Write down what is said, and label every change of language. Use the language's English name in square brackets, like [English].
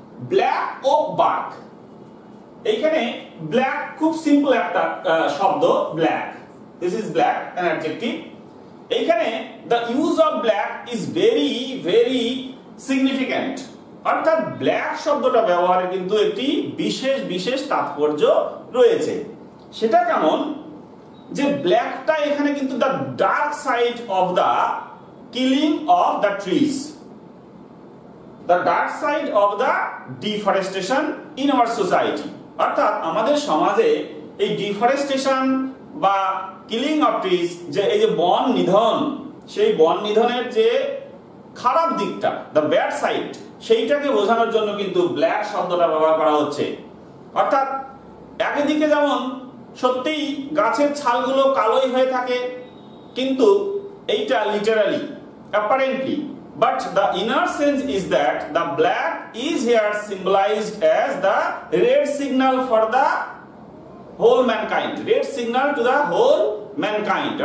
[Bangla] Black ও bark, এইখানে black খুব simple একটা শব্দ, black, [English] this is black an adjective, [Bangla] এইখানে [English] the use of black is very very significant, [Bangla] অর্থাৎ ব্ল্যাক শব্দটা ব্যবহারে কিন্তু একটি বিশেষ বিশেষ তাৎপর্য রয়েছে। সেটা কেমন, যে ব্ল্যাকটা এখানে কিন্তু [English] The dark side of the killing of the trees. The dark side of the deforestation in our society. [Bangla] অর্থাৎ আমাদের সমাজে এই ডিফরেস্টেশন বা [English] killing of trees, [Bangla] যে এই যে বন নিধন, সেই বন নিধনের যে খারাপ দিকটা, [English] the bad side, [Bangla] সেইটাকে বোঝানোর জন্য কিন্তু ব্ল্যাক শব্দটা ব্যবহার করা হচ্ছে। অর্থাৎ একদিকে যেমন সত্যিই গাছের ছালগুলো কালোই হয়ে থাকে, কিন্তু এইটা [English] Literally apparently, but the inner sense is that the black is here symbolised as the red signal for the whole mankind, red signal to the whole mankind.